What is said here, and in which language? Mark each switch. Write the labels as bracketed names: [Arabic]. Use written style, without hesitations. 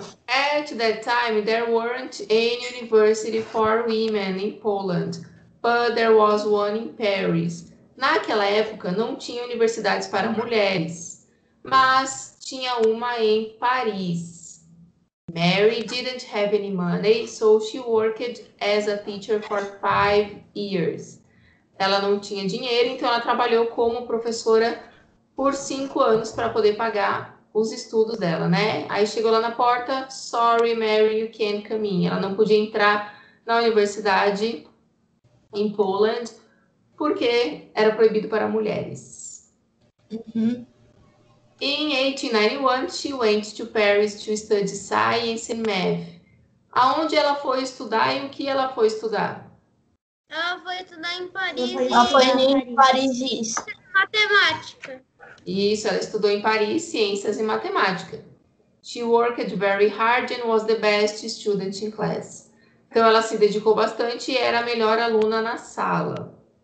[English] At that time, there weren't any university for women in Poland, but there was one in Paris. [Portuguese] Naquela época, não tinha universidades para mulheres, mas tinha uma em Paris. [English] Mary didn't have any money, so she worked as a teacher for 5 years. [Portuguese] Ela não tinha dinheiro, então ela trabalhou como professora por 5 anos para poder pagar os estudos dela, né? Aí chegou lá na porta, [English] sorry, Mary, you can't come in. [Portuguese] Ela não podia entrar na universidade em Poland porque era proibido para mulheres. Uhum. [English] In 1891, she went to Paris to study science and math. [Portuguese] Aonde ela foi estudar e o que ela foi estudar? Ela foi estudar em Paris. Ela foi em Paris. Matemática. Isso, ela estudou em Paris, ciências e matemática. [English] She worked very hard and was the best student in class. [Portuguese] Então, ela se dedicou bastante e era a melhor aluna na sala.